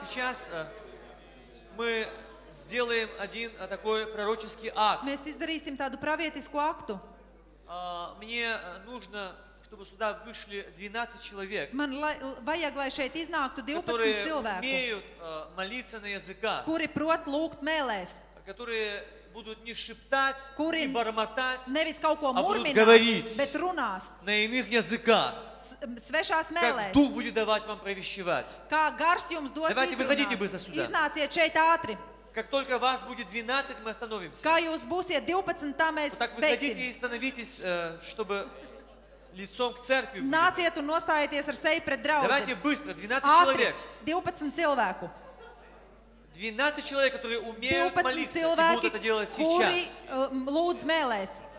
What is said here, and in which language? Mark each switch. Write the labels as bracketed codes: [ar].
[ru] Сейчас мы сделаем один такой пророческий акт. [lv] Mēs izdarīsim tādu pravietisku aktu. [ru] Мне нужно, чтобы сюда вышли 12 человек. [lv] Man vajag, lai šeit iznāktu 12 cilvēku. [ru] Которые умеют молиться на языках. [lv] Kuri prot lūgt mēlēs. [ru] Которые будут не шептать, не бормотать, [lv] nevis kaut ko murmināt, bet runās. [ru] На иных языках. [lv] svešās mēlēs. [ru] Как дух будет давать вам провещевать. [lv] Kā gars jums dos izrunāt. [ru] Давайте выходите быстро сюда. [lv] Iznāciet šeit ātri. [ru] Как только вас будет 12, мы остановимся. [lv] Kā jūs būsiet 12, tā mēs [ru] так выходите и становитесь, чтобы лицом к церкви. [lv] Nāciet un nostājieties ar seju pret draugu. [ru] Давайте быстро, 12 человек. [lv] 12 cilvēku. [ru] 12 человек, которые умеют молиться, и будут это делать сейчас. [lv] Kuri lūdz mēlēs.